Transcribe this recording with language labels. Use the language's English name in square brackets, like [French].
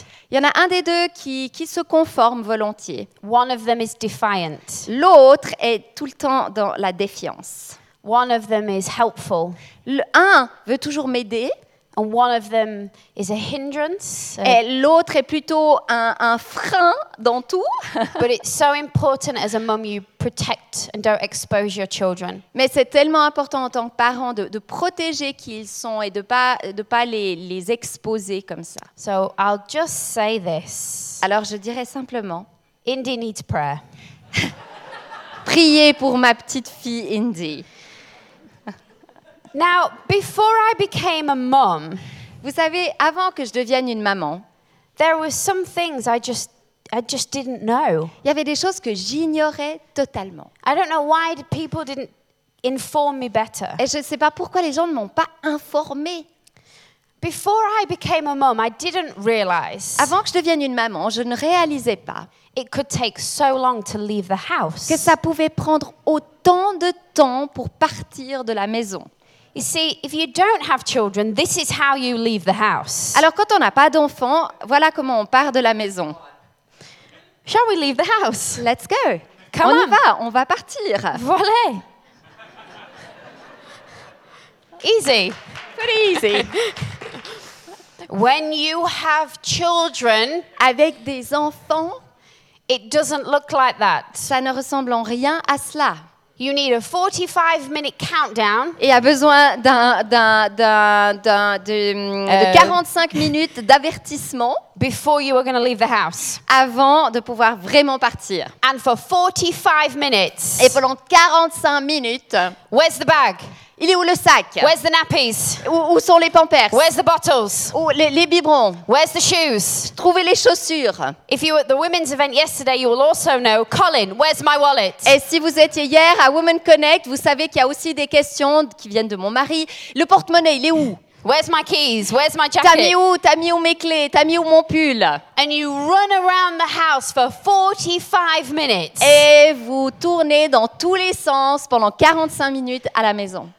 [French] Il y en a un des deux qui se conforme volontiers. [English] One of them is defiant. [French] L'autre est tout le temps dans la défiance. [English] One of them is helpful. [French] L'un veut toujours m'aider. [English] And one of them is a hindrance. [French] Et l'autre est plutôt un frein dans tout. [English] But it's so important as a mom you protect and don't expose your children. [French] Mais c'est tellement important en tant que parent de protéger qui ils sont et de pas les exposer comme ça. [English] So I'll just say this. [French] Alors je dirais simplement. [English] Indy needs prayer. [French] Priez pour ma petite fille Indy. [English] Now, before I became a mom, [French] vous savez, avant que je devienne une maman, [English] there were some things I just didn't know. [French] Il y avait des choses que j'ignorais totalement. [English] I don't know why people didn't inform me better. [French] Et je ne sais pas pourquoi les gens ne m'ont pas informée. [English] Before I became a mom, I didn't realize. [French] Avant que je devienne une maman, je ne réalisais pas. [English] It could take so long to leave the house. [French] Que ça pouvait prendre autant de temps pour partir de la maison. [English] You see, if you don't have children, this is how you leave the house. [French] Alors quand on n'a pas d'enfants, voilà comment on part de la maison. [English] Shall we leave the house? Let's go. Come [French] on. On y va, on va partir. Voilà. [English] Easy. Pretty easy. When you have children, [French] avec des enfants, [English] it doesn't look like that. [French] Ça ne ressemble en rien à cela. [English] You need a 45-minute countdown. [French] Il y a besoin de 45 minutes d'avertissement [English] before you are going to leave the house. [French] Avant de pouvoir vraiment partir. [English] And for 45 minutes. [French] Et pendant 45 minutes. [English] Where's the bag? [French] Il est où le sac? [English] Where's the nappies? [French] Où sont les pampers? [English] Where's the bottles? [French] Où les biberons? [English] Where's the shoes? [French] Trouvez les chaussures. [English] If you were at the women's event yesterday, you will also know, Colin, where's my wallet? [French] Et si vous étiez hier à Women Connect, vous savez qu'il y a aussi des questions qui viennent de mon mari. Le porte-monnaie, il est où? [English] Where's my keys? Where's my jacket? [French] T'as mis où mes clés? T'as mis où mon pull? [English] And you run around the house for 45 minutes. [French] Et vous tournez dans tous les sens pendant 45 minutes à la maison.